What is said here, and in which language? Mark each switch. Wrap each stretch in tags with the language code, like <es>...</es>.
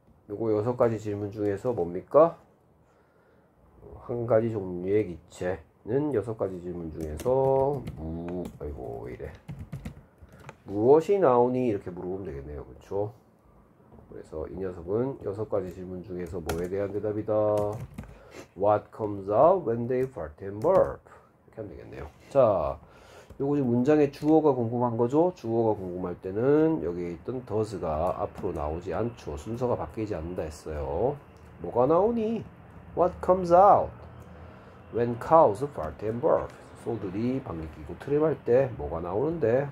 <ko>요거 여섯 가지 질문 중에서 뭡니까? 한 가지 종류의 기체는 여섯 가지 질문 중에서 아이고 이래. 무엇이 나오니? 이렇게 물어보면 되겠네요. 그렇죠? 그래서 이 녀석은 여섯 가지 질문 중에서 뭐에 대한 대답이다?</ko> <en>What comes out when they fart and burp?</en> <ko>이렇게 하면 되겠네요. 자, 요거 문장의 주어가 궁금한 거죠? 주어가 궁금할 때는 여기에 있던 does가 앞으로 나오지 않죠. 순서가 바뀌지 않는다 했어요. 뭐가 나오니?</ko> <en>What comes out when cows fart and burp?</en> <ko>소들이 방귀뀌고 틀을 밟을 때 뭐가 나오는데?</ko>